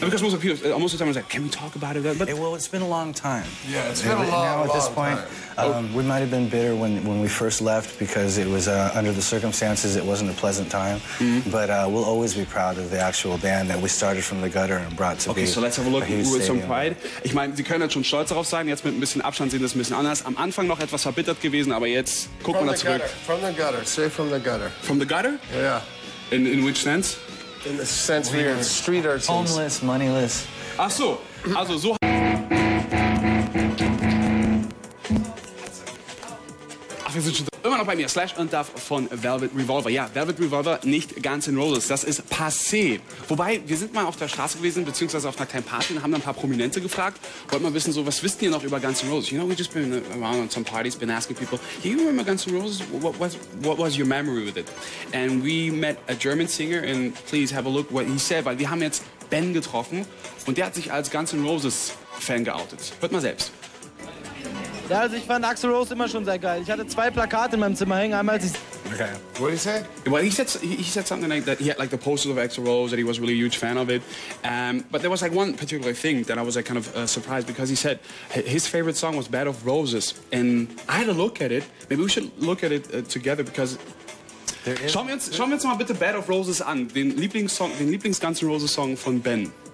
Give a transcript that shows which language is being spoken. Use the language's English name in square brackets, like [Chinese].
[English] And because most of the time it's like, can we talk about it? But well, it's been a long time. Yeah, it's been a long time. Now at this point, we might have been bitter when we first left because it was under the circumstances, it wasn't a pleasant time. But we'll always be proud of the actual band that we started from the gutter and brought to So let's have a look with some pride. [German] Ich meine, Sie können jetzt schon stolz darauf sein, jetzt mit ein bisschen Abstand sehen das ein bisschen anders. Am Anfang noch etwas verbittert gewesen, aber jetzt guckt man da zurück. [English] From the gutter, say from the gutter. From the gutter? Yeah. In which sense? In the sense we are street artists. Homeless, moneyless. [German] Ach so, also so. Wir sind schon immer noch bei mir. Slash und Duff von Velvet Revolver. Ja, Velvet Revolver, nicht Guns N' Roses. Das ist passé. Wobei, wir sind mal auf der Straße gewesen, beziehungsweise auf einer kleinen Party und haben ein paar Prominente gefragt. Wollt mal wissen, so, was wisst ihr noch über Guns N' Roses? [English] You know, we've just been around on some parties, been asking people, do you remember Guns N' Roses? What was your memory with it? And we met a German singer and please have a look what he said, [German] weil wir haben jetzt Ben getroffen und der hat sich als Guns N' Roses Fan geoutet. Hört mal selbst. Ja, also ich fand Axl Rose immer schon sehr geil. Ich hatte zwei Plakate in meinem Zimmer hängen. Einmal, als ich [English] Okay. What did he say? Well, he said something like that he had, like, the posters of Axl Rose, that he was really a huge fan of it. But there was, like, one particular thing that I was, like, kind of surprised, because he said his favorite song was Bed of Roses. And I had a look at it. Maybe we should look at it together, because... [German] Schauen wir uns mal bitte Bed of Roses an, den Lieblings Guns N' Roses Song von Ben.